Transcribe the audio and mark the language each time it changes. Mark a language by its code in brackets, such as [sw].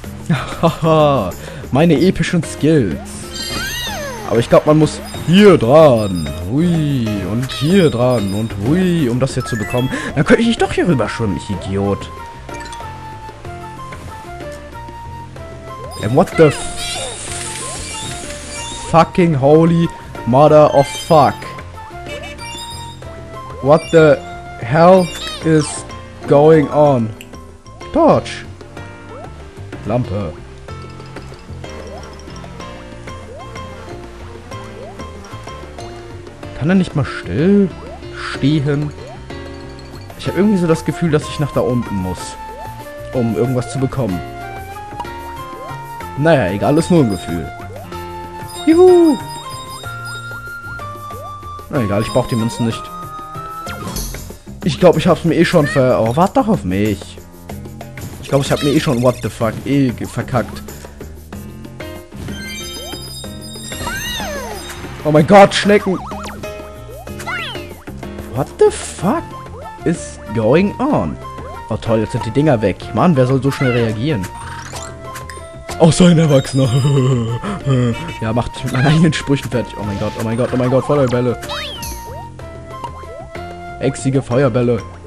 [de] Haha, meine epischen Skills. Aber ich glaube, man muss hier dran. Hui, und hier dran. Und hui, um das hier zu bekommen. Dann könnte ich doch hier rüber schwimmen, ich Idiot. [en] And what the fucking holy mother of fuck. What the hell is going on? [de] Torch. Lampe. Kann er nicht mal still stehen? Ich habe irgendwie so das Gefühl, dass ich nach da unten muss, um irgendwas zu bekommen. Naja, egal, ist nur ein Gefühl. Juhu! Na egal, ich brauche die Münzen nicht. Ich glaube, ich habe es mir eh schon Oh, warte doch auf mich. Ich glaube, ich habe mir eh schon [en] what the fuck [de] eh verkackt. Oh mein Gott, Schnecken! [en] What the fuck is going on? [de] Oh toll, jetzt sind die Dinger weg. Mann, wer soll so schnell reagieren? Außer ein Erwachsener. Ja, macht mich mit meinen eigenen Sprüchen fertig. Oh mein Gott, oh mein Gott, oh mein Gott, Feuerbälle. Exige Feuerbälle.